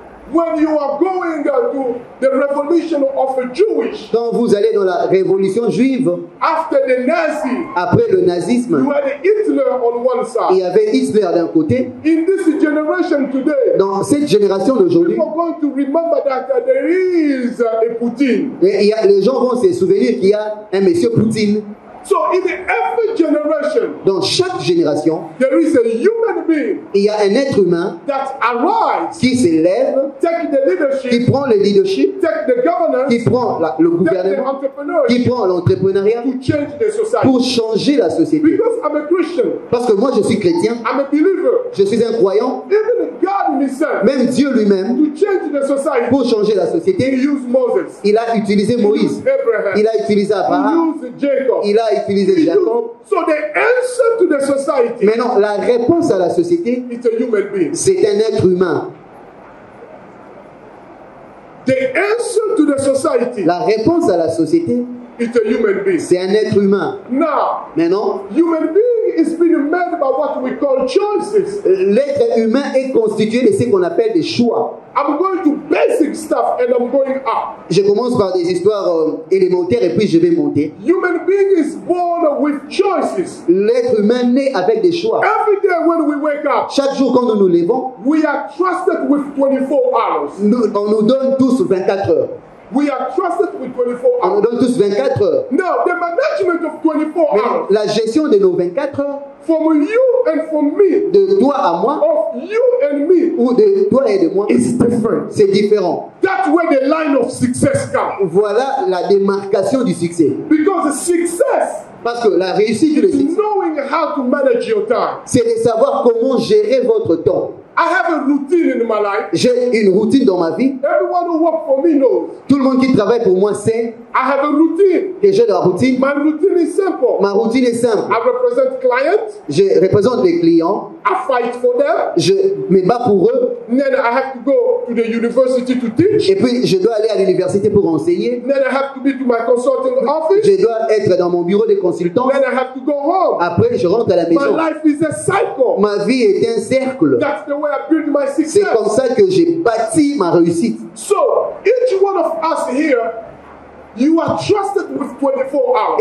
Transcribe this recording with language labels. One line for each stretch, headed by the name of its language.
English: When you are going to the revolution of a Jewish.
French: Quand vous allez dans la révolution juive.
English: After the Nazi.
French: Après le nazisme.
English: You had Hitler on one side.
French: Il y avait Hitler d'un côté.
English: In this generation today.
French: Dans cette génération d'aujourd'hui.
English: People are going to remember that there is a Poutine.
French: Et les gens vont se souvenir qu'il y a un monsieur Poutine.
English: So in every generation,
French: dans chaque génération,
English: there is a human being,
French: il y a un être humain
English: that arise,
French: qui s'élève,
English: take the leadership,
French: qui prend le leadership,
English: take the governance,
French: qui prend le gouvernement,
English: take the entrepreneurship,
French: qui prend l'entrepreneuriat,
English: to change the society.
French: Pour changer la société.
English: Because I'm a Christian,
French: parce que moi je suis chrétien,
English: I'm a believer,
French: je suis un croyant,
English: even God himself,
French: même Dieu lui-même,
English: to change the society,
French: pour changer la société,
English: he used Moses,
French: il a utilisé Moïse,
English: he used Abraham,
French: il a utilisé Abraham,
English: he used Jacob,
French: il a utiliser Jacob.
English: So the answer to the society.
French: Maintenant, la réponse à la société,
English: it's a human being.
French: C'est un être humain.
English: The answer to the society.
French: La réponse à la société,
English: it's a human being.
French: C'est un être humain.
English: Now,
French: maintenant,
English: human being is being made by what we call choices.
French: L'être humain est constitué de ce qu'on appelle des choix.
English: I'm going to basic stuff and I'm going up.
French: Je commence par des histoires élémentaires et puis je vais monter.
English: Human being is born with choices.
French: L'être humain naît avec des choix.
English: Every day when we wake up,
French: chaque jour quand nous nous levons,
English: we are trusted with 24 hours.
French: Nous, on nous donne tous 24 heures.
English: We are trusted with 24 hours.
French: On nous donne tous 24 heures.
English: Now, the management of 24 hours.
French: La gestion de nos 24 heures.
English: From you and from me.
French: De toi à moi.
English: Of you and me.
French: Ou de toi et de moi.
English: It's different.
French: C'est différent.
English: That's where the line of success comes.
French: Voilà la démarcation du succès.
English: Because success.
French: Parce que la réussite
English: is knowing how to manage your time.
French: C'est de savoir comment gérer votre temps.
English: I have a routine in my life.
French: J'ai une routine dans ma vie.
English: Everyone who works for me knows.
French: Tout le monde qui travaille pour moi sait.
English: I have a routine.
French: Que j'ai la routine.
English: My routine is simple.
French: Ma routine est simple.
English: I represent clients.
French: Je représente les clients.
English: I fight for them.
French: Je me bats pour eux.
English: Then I have to go to the university to teach.
French: Et puis je dois aller à l'université pour enseigner.
English: Then I have to be to my consulting office.
French: Je dois être dans mon bureau de consultant.
English: Then I have to go home.
French: Après je rentre à la maison.
English: My life is a cycle.
French: Ma vie est un cercle.
English: That's the way I build my success.
French: C'est comme ça que j'ai bâti ma réussite.
English: So each one of us here. You are trusted with 24 hours.